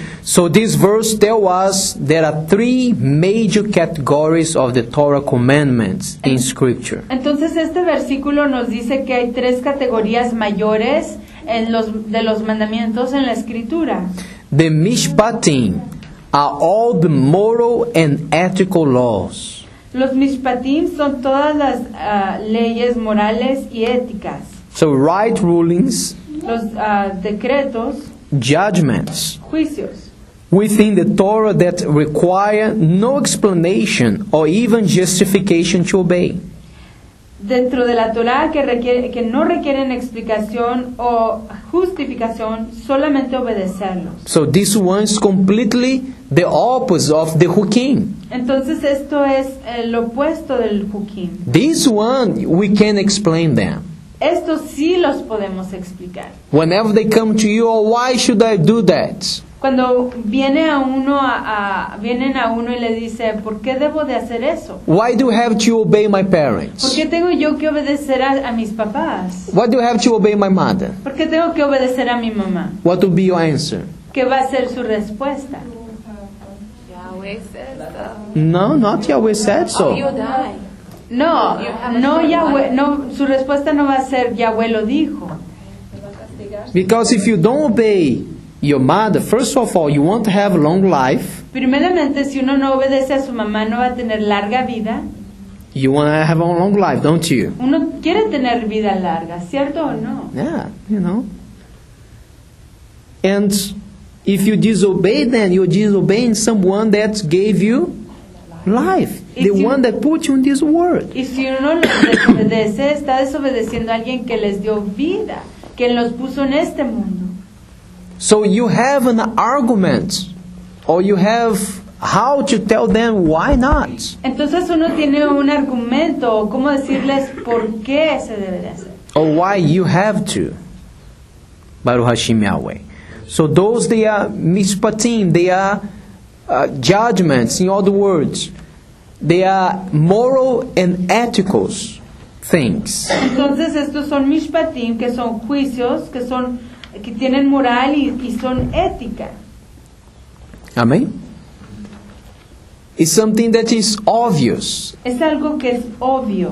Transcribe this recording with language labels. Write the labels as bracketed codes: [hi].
[en] So this verse tells us there are three major categories of the Torah commandments in Scripture. [es] Entonces este versículo nos dice que hay tres categorías mayores en los de los mandamientos en la Escritura. [en] The Mishpatim are all the moral and ethical laws. [es] Los Mishpatim son todas las leyes morales y éticas. [en] So right rulings. [es] Los decretos. [en] Judgments. [es] Juicios. [en] Within the Torah that require no explanation or even justification to obey. [es] Dentro de la Torah que no requieren explicación o justificación, solamente obedecerlos. [en] So this one is completely the opposite of the Hukim. [es] Entonces esto es el opuesto del Hukim. [en] This one we can explain them. [es] Esto sí los podemos explicar. [en] Whenever they come to you, oh, why should I do that? [es] Cuando viene a uno vienen a uno y le dice, ¿por qué debo de hacer eso? [en] Why do you have to obey my parents? [es] ¿Por qué tengo yo que obedecer a mis papás? [en] Why do you have to obey my mother? [es] ¿Por qué tengo que obedecer a mi mamá? [en] What will be your answer? [es] ¿Qué va a ser su respuesta? [en] Yahweh said so. No, not Yahweh said so. [es] No, no Yahweh, no, su respuesta no va a ser Yahweh lo dijo. [en] Because if you don't obey your mother, first of all, you won't have long life. [es] Primeramente, si uno no obedece a su mamá, no va a tener larga vida. [en] You want to have a long life, don't you? [es] Uno quiere tener vida larga, ¿cierto o no? [en] Yeah, you know. And if you disobey, then you're disobeying someone that gave you life. The one that put you in this world. [es] Y si uno no desobedece, está desobedeciendo a alguien que les dio vida, que los puso en este mundo. [en] So you have an argument, or you have how to tell them why not. [es] Entonces uno tiene un argumento, cómo decirles por qué se debe de hacer. [en] Or why you have to. [he] Baruch Hashem Yahweh. [en] So those they are mishpatim, they are judgments, in other words. They are moral and ethical things. [es] Entonces estos son mishpatim, que son juicios, que son que tienen moral y son ética. [en] Amén. It's something that is obvious. [es] Es algo que es obvio.